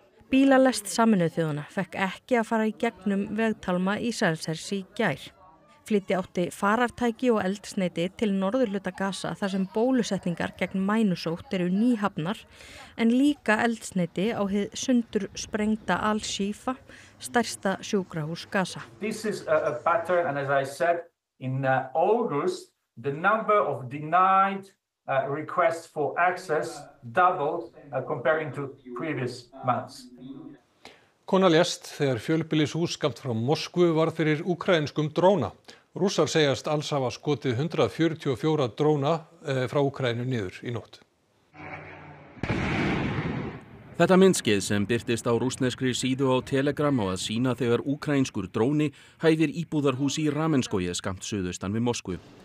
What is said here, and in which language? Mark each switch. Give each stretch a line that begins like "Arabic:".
Icelandic: Bílalest Sameinuðu þjóðanna fekk ekki að fara í gegnum vegtálma Ísraels hers í gær. Flytti átti farartæki og eldsneiti til norðurhluta Gaza þar sem bólusetningar gegn mænusótt eru nýhafnar en líka eldsneiti á hið sundur sprengda Al-Shifa, stærsta sjúkrahús Gaza.
English: This is a pattern and as I said in August the number of denied requests for access doubled comparing to previous months.
Icelandic: Kona lést þegar fjölbýlishús skammt frá Moskvu varð fyrir ukrainskum dróna. Rússar segjast alls hafa skotið 144 dróna frá Ukraínu niður í nótt. Þetta myndskeið sem birtist á rússneskri síðu á Telegram á að sýna þegar ukrainskur dróni hæfir íbúðarhús í Ramenskoye skammt suðaustan við Moskvu.